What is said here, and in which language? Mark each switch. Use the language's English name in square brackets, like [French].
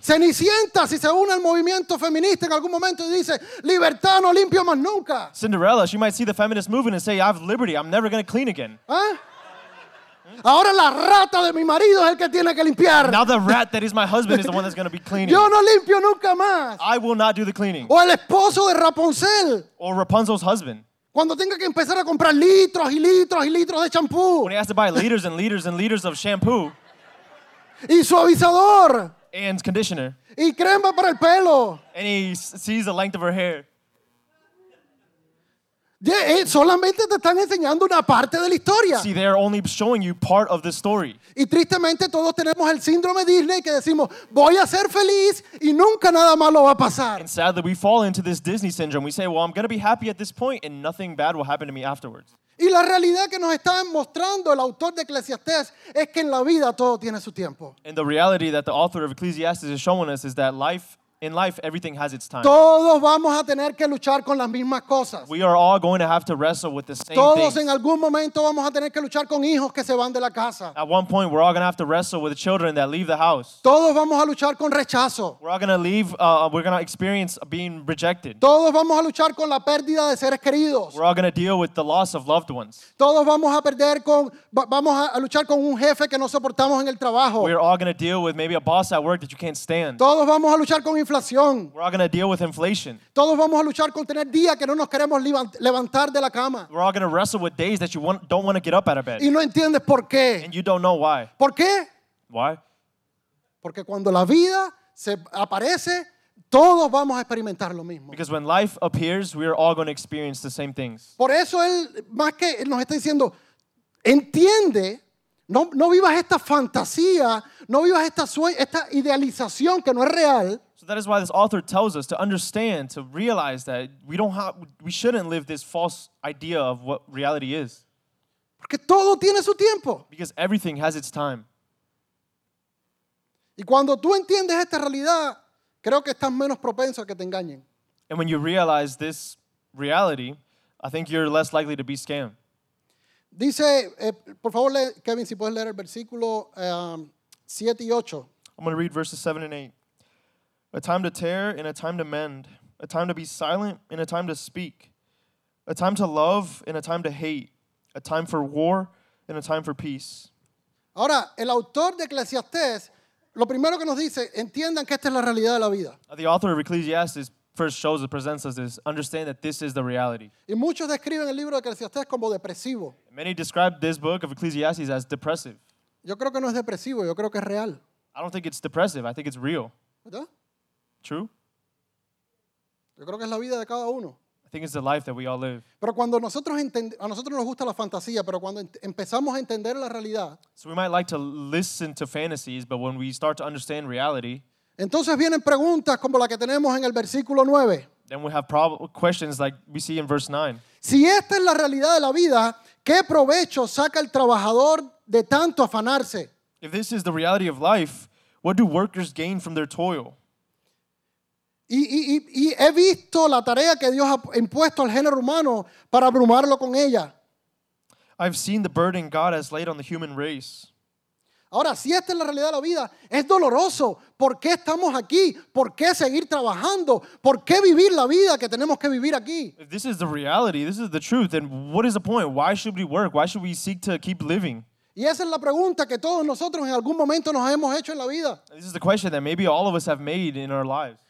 [Spanish] Cenicienta, si se une al movimiento feminista en algún momento y dice, libertad no limpio más nunca. [English] Cinderella, she might see the feminist movement and say, I have liberty, I'm never going to clean again. [Spanish] Ahora la rata de mi marido es el que tiene que limpiar. [English] Now the rat that is my husband is the one that's going to be cleaning. [Spanish] Yo no limpio nunca más. [English] I will not do the cleaning. [Spanish] O el esposo de Rapunzel. [English] Or Rapunzel's husband. [Spanish] Cuando tenga que empezar a comprar litros y litros y litros de shampoo. [English] When he has to buy liters and liters and liters of shampoo. [Spanish] Y suavizador. [English] And conditioner. [Spanish] Y crema para el pelo. [English] And he sees the length of her hair. [Spanish] Yeah, solamente te están enseñando una parte de la historia. [English] See, they're only showing you part of the story. [Spanish] Y tristemente todos tenemos el síndrome Disney que decimos, voy a ser feliz y nunca nada malo va a pasar. [English] And sadly, we fall into this Disney syndrome. We say, well, I'm going to be happy at this point and nothing bad will happen to me afterwards. [Spanish] Y la realidad que nos está mostrando el autor de Eclesiastés es que en la vida todo tiene su tiempo. [English] And the reality that the author of Ecclesiastes is showing us is that life, in life, everything has its time. [Spanish] Todos vamos a tener que luchar con las mismas cosas. [English] We are all going to have to wrestle with the same [Spanish] Todos [English] things. [Spanish] En algún momento vamos a tener que luchar con hijos que se van de la casa. [English] At one point, we're all going to have to wrestle with the children that leave the house. [Spanish] Todos vamos a luchar con rechazo. [English] We're going to experience being rejected. [Spanish] Todos vamos a luchar con la pérdida de seres queridos. [English] We're all going to deal with the loss of loved ones. [Spanish] Todos vamos a luchar con un jefe que no soportamos en el trabajo. [English] We're all going to deal with maybe a boss at work that you can't stand. [Spanish] Todos vamos a luchar con [English] We're all going to deal with inflation. [Spanish] Todos vamos a luchar con tener días que no nos queremos levantar de la cama. [English] We're all going to wrestle with days that you don't want to get up out of bed. [Spanish] Y no entiendes por qué. [English] And you don't know why. [Spanish] ¿Por qué? [English] Why? [Spanish] Porque cuando la vida se aparece, todos vamos a experimentar lo mismo. [English] Because when life appears, we are all going to experience the same things. [Spanish] Por eso él más que nos está diciendo, entiende. No vivas esta fantasía, no vivas esta idealización que no es real. [English] So that is why this author tells us to understand, to realize that we shouldn't live this false idea of what reality is. [Spanish] Porque todo tiene su tiempo. [English] Because everything has its time. [Spanish] Y cuando tú entiendes esta realidad, creo que estás menos propenso a que te engañen. [English] And when you realize this reality, I think you're less likely to be scammed. [Spanish] Dice, por favor, Kevin, si puedes leer el versículo 7 y 8. [English] I'm going to read verses 7 and 8. A time to tear and a time to mend. A time to be silent and a time to speak. A time to love and a time to hate. A time for war and a time for peace. [Spanish] Ahora, el autor de Eclesiastes, lo primero que nos dice, entiendan que esta es la realidad de la vida. [English] The author of Ecclesiastes first shows and presents us this, understand that this is the reality. [Spanish] Y muchos describen el libro de Eclesiastés como depresivo. [English] Many describe this book of Ecclesiastes as depressive. [Spanish] Yo creo que no es depresivo, yo creo que es real. [English] I don't think it's depressive, I think it's real. [Spanish] ¿Verdad? [English] True. [Spanish] Yo creo que es la vida de cada uno. [English] I think it's the life that we all live. [Spanish] Pero cuando a nosotros nos gusta la fantasía, pero cuando empezamos a entender la realidad. [English] So we might like to listen to fantasies, but when we start to understand reality, [Spanish] entonces vienen preguntas como la que tenemos en el versículo 9. [English] Then we have questions like we see in verse 9. [Spanish] Si esta es la realidad de la vida, ¿qué provecho saca el trabajador de tanto afanarse? [English] If this is the reality of life, what do workers gain from their toil? [Spanish] Y he visto la tarea que Dios ha impuesto al género humano para abrumarlo con ella. [English] I've seen the burden God has laid on the human race. [Spanish] Ahora, si esta es la realidad de la vida, es doloroso. ¿Por qué estamos aquí? ¿Por qué seguir trabajando? ¿Por qué vivir la vida que tenemos que vivir aquí? [English] If this is the reality, this is the truth, then what is the point? Why should we work? Why should we seek to keep living? [Spanish] Y esa es la pregunta que todos nosotros en algún momento nos hemos hecho en la vida. [English] This is the question that maybe all of us have made in our lives.